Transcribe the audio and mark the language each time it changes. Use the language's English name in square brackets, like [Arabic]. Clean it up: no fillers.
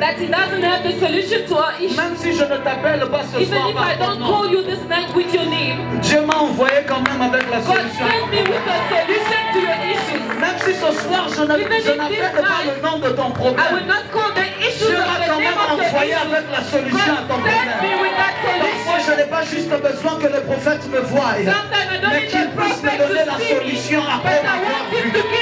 [English] That he doesn't have the solution to our issue. [French] Même si je ne t'appelle pas ce [English] even [French] soir, [English] even if I don't call you this night with your name. [French] Dieu m'a envoyé quand même avec la solution. [English] God sent me with a solution to your issues. [French] Même si ce soir je n'appelle pas le nom de ton problème. [English] I will not call the issue. [French] Dieu m'a quand même envoyé avec la solution [English] God [French] à ton problème. Je n'ai pas juste besoin que le prophète me voie, mais qu'il puisse me donner la solution après m'avoir vu.